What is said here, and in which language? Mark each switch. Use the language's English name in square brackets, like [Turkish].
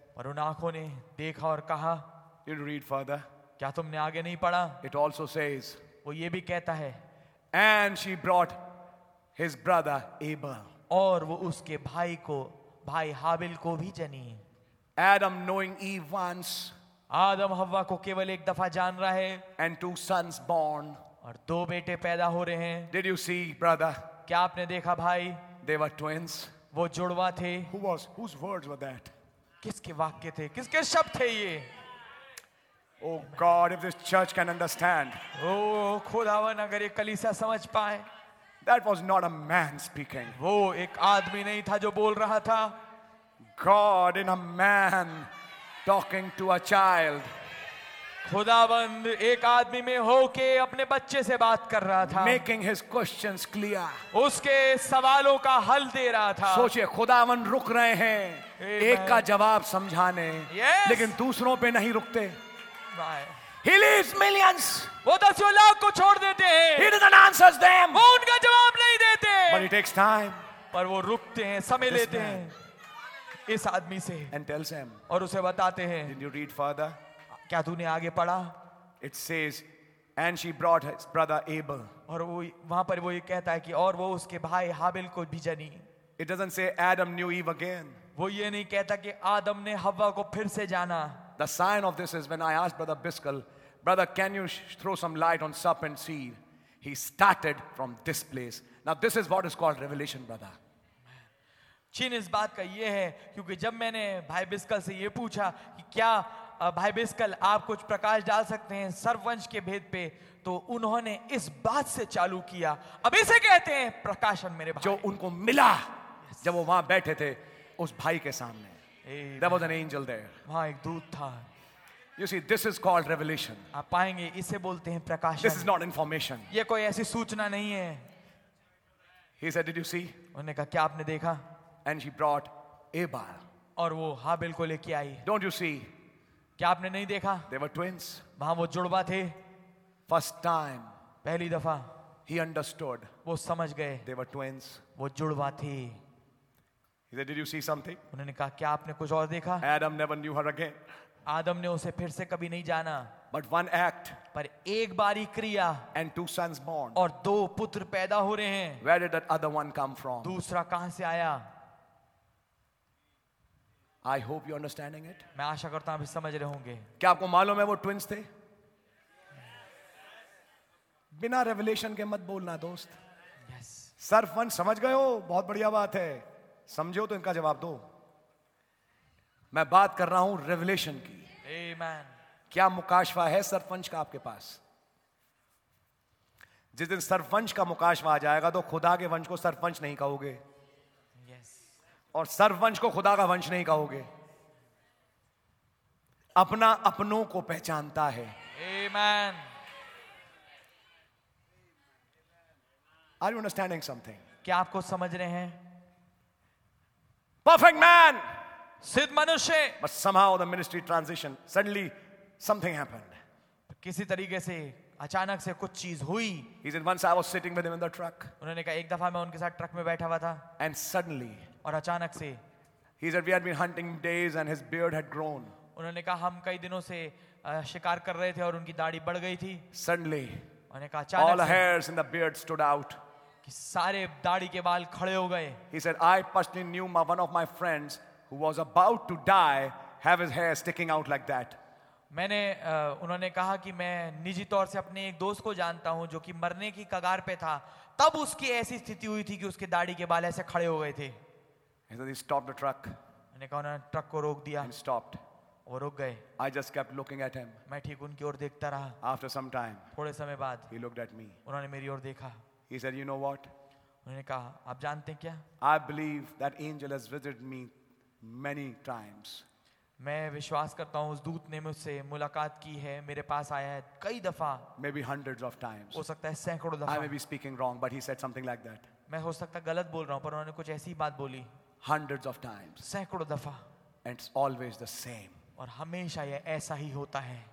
[Hindi] पर उन आँखों ने देखा और कहा, [English] "You read further." [Hindi] क्या तुमने आगे नहीं पढ़ा? [English] It also says, [Hindi] वो ये भी कहता है, [English] "And she brought his brother Abel." [Hindi] और वो उसके भाई को, भाई हाबिल को भी जनी. [English] Adam knowing Eve once, [Hindi] आदम हव्वा को केवल एक दफा जान रहा है. [English] And two sons born, [Hindi] और दो बेटे पैदा हो रहे हैं. [English] Did you see, brother? [Hindi] क्या आपने देखा भाई? [English] They were twins. [Hindi] वो जुड़वा थे [English] Who was, whose words were that? [Hindi] किसके वाक्य थे किसके शब्द थे ये [English] Oh God, if this church can understand. [Hindi] Oh, खुदावन अगर ये कलीसिया समझ पाए [English] That was not a man speaking. [Hindi] वो एक आदमी नहीं था जो बोल रहा था. [English] God in a man talking to a child. [Hindi] खुदावंद एक आदमी में होके अपने बच्चे से बात कर रहा था. [English] Making his questions clear. [Hindi] उसके सवालों का हल दे रहा था. सोचिए खुदावंद रुक रहे हैं एक का जवाब समझाने. [English] Yes. [Hindi] लेकिन दूसरों पे नहीं रुकते. [English] Bye. He leaves millions. [Hindi] वो दसों लाख को छोड़ देते हैं. [English] He doesn't answers them. [Hindi] वो उनका जवाब नहीं देते. [English] But he takes time. [Hindi] पर वो रुकते हैं, समय लेते हैं इस आदमी से. [English] And tells him. [Hindi] और उसे बताते हैं. [English] Did you read further? [Hindi] क्या तूने आगे पढ़ा? [English] It says, and she brought his brother Abel. [Hindi] और वो वहाँ पर वो ये कहता है कि और वो उसके भाई हाबिल को भी जनी. [English] It doesn't say Adam knew Eve again. [Hindi] वो ये नहीं कहता कि आदम ने हव्वा को फिर से जाना. [English] The sign of this is when I asked Brother Biskal, Brother, can you throw some light on serpent seed? He started from this place. Now this is what is called revelation, brother. [Hindi] चीन इस बात का ये है क्योंकि जब मैंने भाई बिस्कल से ये पूछा कि क्या भाई बिस्कल आप कुछ प्रकाश डाल सकते हैं सर्ववंश के भेद पे, तो उन्होंने इस बात से चालू किया. अब इसे कहते हैं प्रकाशन मेरे भाई. जो उनको मिला जब वो वहां बैठे थे उस भाई के सामने. [English] There was an angel there. [Hindi] वहाँ एक दूत था. [English] You see, this is called revelation. [Hindi] आप पाएंगे इसे बोलते हैं प्रकाशन. [English] This is not information. [Hindi] ये कोई ऐसी सूचना नहीं है. [English] He said, "Did you see?" [Hindi] उन्हें कहा क्या आपने देखा? [English] And she brought Abel. [Hindi] और वो हाबिल को लेके आई. [English] Don't you see? [Hindi] क्या आपने नहीं देखा? [English] They were twins. [Hindi] वहाँ वो जुड़वा थे. [English] First time. [Hindi] पहली दफा. [English] He understood. [Hindi] वो समझ गए. [English] They were twins. [Hindi] वो जुड़वा थे. [English] He said, "Did you see something?" [Hindi] उन्होंने कहा क्या आपने कुछ और देखा? [English] Adam never knew her again. [Hindi] आदम ने उसे फिर से कभी नहीं जाना. [English] But one act. [Hindi] पर एक बारी क्रिया. [English] And two sons born. [Hindi] और दो पुत्र पैदा हो रहे हैं. [English] Where did that other one come from? [Hindi] दूसरा कहां से आया? [English] I hope you're understanding it. [Hindi] मैं आशा करता हूं आप समझ रहे होंगे. क्या आपको मालूम है वो ट्विंस थे? बिना रेवलेशन के मत बोलना दोस्त. [English] Yes. [Hindi] सर्फ वन समझ गए हो, बहुत बढ़िया बात है. समझो तो इनका जवाब दो. मैं बात कर रहा हूं रेवलेशन की. [English] Amen. [Hindi] क्या मुकाशवा है सरपंच का आपके पास? जिस दिन सरपंच का मुकाशवा आ जाएगा तो खुदा के वंश को सरपंच नहीं कहोगे. Yes. और सरपंच को खुदा का वंश नहीं कहोगे. अपना अपनों को पहचानता है. [English] Amen. Are you understanding something? [Hindi] क्या आपको समझ रहे हैं? [English] Perfect man, [Hindi] सिद्ध मनुष्य. [English] But somehow the ministry transition, suddenly something happened. [Hindi] किसी तरीके से अचानक से कुछ चीज हुई. [English] He said, once I was sitting with him in the truck. [Hindi] उन्होंने कहा एक दफा मैं उनके साथ ट्रक में बैठा हुआ था. [English] And suddenly. [Hindi] और अचानक से. [English] He said, we had been hunting days and his beard had grown. [Hindi] उन्होंने कहा हम कई दिनों से शिकार कर रहे थे और उनकी दाढ़ी बढ़ गई थी. [English] Suddenly. [Hindi] उन्होंने कहा अचानक. [English] All hairs in the beard stood out. [Hindi] कि सारे दाढ़ी के बाल खड़े हो गए. [English] He said, I personally knew my, one of my friends who was about to die have his hair sticking out like that. [Hindi] मैंने उन्होंने कहा कि मैं निजी तौर से अपने एक दोस्त को जानता हूं जो कि मरने की कगार पे था. तब उसकी ऐसी स्थिति हुई थी कि उसके दाढ़ी के बाल ऐसे खड़े हो गए थे. [English] He said, he stopped the truck. [Hindi] मैंने कहा उन्होंने ट्रक को रोक दिया. [English] And stopped. [Hindi] वो रुक गए. [English] I just kept looking at him. [Hindi] मैं ठीक उनकी ओर देखता रहा. [English] After some time. [Hindi] थोड़े समय बाद. [English] He looked at me. [Hindi] उन्होंने मेरी ओर देखा. [English] He said, you know what? [Hindi] उन्होंने कहा आप जानते क्या? [English] I believe that angel has visited me many times. [Hindi] मैं विश्वास करता हूँ उस दूत ने मुझसे मुलाकात की है, मेरे पास आया है कई दफा. [English] Maybe hundreds of times. [Hindi] हो सकता है सैकड़ों दफा. [English] I may be speaking wrong, but he said something like that. [Hindi] मैं हो सकता गलत बोल रहा हूँ, पर उन्होंने कुछ ऐसी बात बोली. [English] Hundreds of times. [Hindi] सैकड़ों दफा. [English] And it's always the same. [Hindi] और हमेशा यह ऐसा ही होता है.